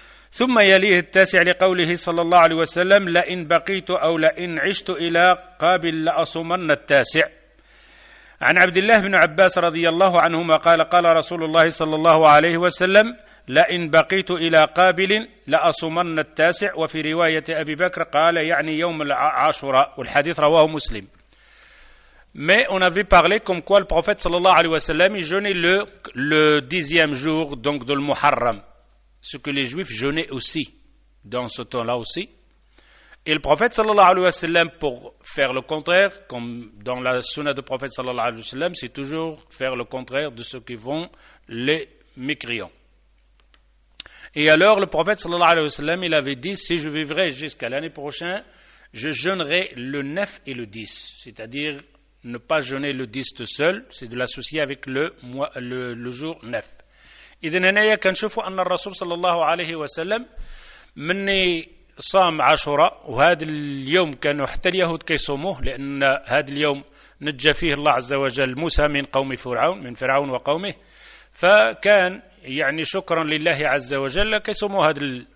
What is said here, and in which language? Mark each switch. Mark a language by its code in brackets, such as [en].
[ar] ثم يليه التاسع لقوله صلى الله عليه وسلم لئن بقيت أو لئن عشت إلى قابل لأصومن التاسع. عن عبد الله بن عباس رضي الله عنهما قال قال رسول الله صلى الله عليه وسلم لئن بقيت إلى قابل لأصومن التاسع، وفي رواية أبي بكر قال يعني يوم العاشوراء، والحديث رواه مسلم. [fr] Mais on avait parlé comme quoi le prophète sallallahu alayhi wa sallam il jeûnait le dixième jour donc de l'Muharram, ce que les juifs jeûnaient aussi dans ce temps-là aussi. Et le prophète sallallahu alayhi wa sallam, pour faire le contraire, comme dans la sunna du prophète sallallahu alayhi wa sallam, c'est toujours faire le contraire de ce qui vont les mécréants. Et alors le prophète sallallahu alayhi wa sallam, il avait dit si je vivrai jusqu'à l'année prochaine, je jeûnerai le 9 et le 10, c'est-à-dire ne pas jeûner le 10 tout seul, c'est de l'associer avec le jour 9. [ar] إذن هنايا كنشوفوا أن الرسول صلى الله عليه وسلم مني صام عاشوراء، وهذا اليوم كانوا حتى اليهود كيصوموه، لأن هذا اليوم نجى فيه الله عز وجل موسى من قوم فرعون، من فرعون وقومه، فكان يعني شكرا لله عز وجل كيصوموا هذا.